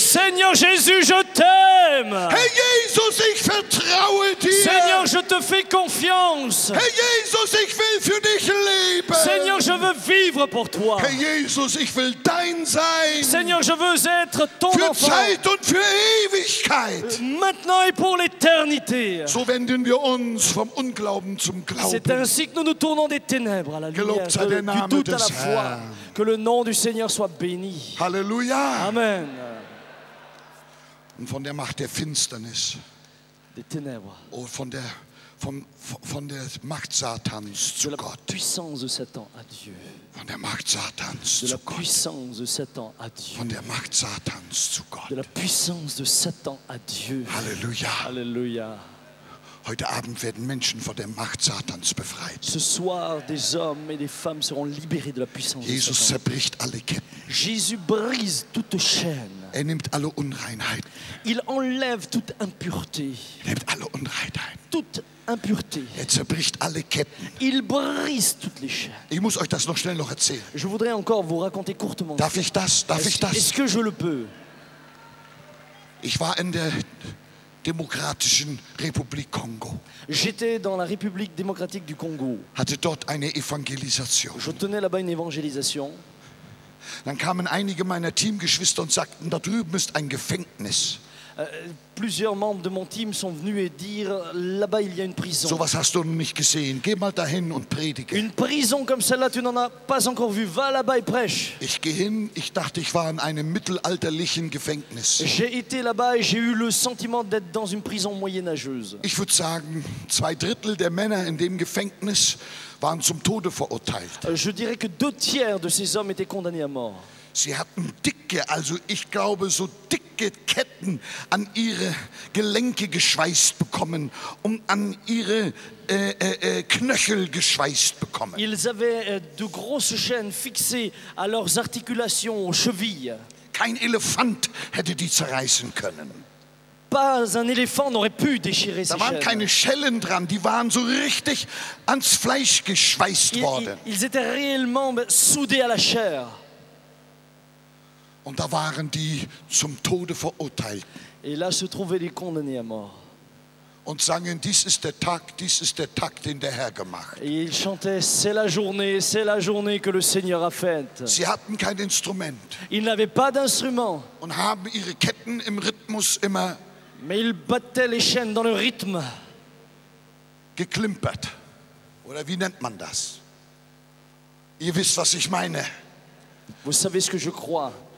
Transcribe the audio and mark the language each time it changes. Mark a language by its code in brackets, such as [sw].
[fr] Seigneur Jésus, je t'aime. [de] Hey Jesus, ich vertraue dir. [fr] Seigneur, je te fais confiance. [de] Hey Jesus, ich will für dich leben. [fr] Seigneur, je veux vivre pour toi. [de] Hey Jesus, ich will dein sein. [fr] Seigneur, je veux être ton [de] für [fr] enfant. [de] Für Zeit und für Ewigkeit. [fr] Maintenant et pour l'éternité. [de] So wenden wir uns vom Unglauben zum Glauben. [fr] C'est ainsi que nous nous tournons des ténèbres à la lumière, du doute à la foi. Que le nom du Seigneur soit béni. Alléluia. Amen. [de] Und von der Macht der Finsternis. [fr] Des ténèbres. [de] Oh, von der Macht Satans zu Gott. [fr] De la puissance de Satan à Dieu. [de] Von der Macht Satans zu Gott. [fr] De la puissance de Satan à Dieu. [de] Von der Macht Satans zu Gott. [fr] De la puissance de Satan à Dieu. Alléluia. Alléluia. [de] Heute Abend werden Menschen von der Macht Satans befreit. [fr] Ce soir, des hommes et des femmes seront libérés de la puissance [de] Jesus [fr] de Satan. [de] Zerbricht alle Ketten. [fr] Jésus brise toute chaîne. [de] Er nimmt alle Unreinheit. [fr] Il enlève toute impureté. [de] Er nimmt alle Unreinheit. [fr] Toute impureté. [de] Er zerbricht alle Ketten. [fr] Il brise toutes les chaînes. [de] Ich muss euch das noch schnell noch erzählen. [fr] Je voudrais encore vous raconter courtement. [de] Darf ich das? Darf ich das? [fr] Est-ce que je le peux? [de] Ich war in der Demokratischen Republik Kongo. [fr] J'étais dans la République démocratique du Congo. [de] Hatte dort eine Evangelisation. [fr] Je tenais là-bas une évangélisation. [de] Dann kamen einige meiner Teamgeschwister und sagten, da drüben ist ein Gefängnis. [fr] Plusieurs membres de mon team sont venus et dire là-bas il y a une prison. [de] So was hast du noch nicht gesehen. Geh mal dahin und predige. [fr] Une prison comme celle-là, tu n'en as pas encore vu. Va là-bas et prêche. [de] Ich gehe hin, ich dachte, ich war in einem mittelalterlichen Gefängnis. [fr] J'ai été là-bas et j'ai eu le sentiment d'être dans une prison moyenâgeuse. [de] Ich würde sagen, 2/3 der Männer in dem Gefängnis waren zum Tode verurteilt. [fr] Je dirais que 2/3 de ces hommes étaient condamnés à mort. [de] Sie hatten dicke, also ich glaube, so dicke Ketten an ihre Gelenke geschweißt bekommen und an ihre Knöchel geschweißt bekommen. [fr] Ils avaient de grosses chaînes fixées à leurs articulations, aux chevilles. [de] Kein Elefant hätte die zerreißen können. [fr] Pas un éléphant n'aurait pu déchirer ces chaînes. [de] Da waren keine Schellen dran, die waren so richtig ans Fleisch geschweißt worden. [fr] Ils étaient réellement soudés à la chair. [de] Und da waren die zum Tode verurteilt. [fr] Et là se trouvaient les condamnés à mort. [de] Und sangen, dies ist der Tag, den der Herr gemacht. [fr] Et ils chantaient, c'est la journée que le Seigneur a faite. [de] Sie hatten kein Instrument. [fr] Ils n'avaient pas d'instrument. [de] Und haben ihre Ketten im Rhythmus immer. [fr] Mais ils battaient les chaînes dans le rythme. [de] Geklimpert. Oder wie nennt man das? Ihr wisst, was ich meine. [fr] Vous savez ce que je crois.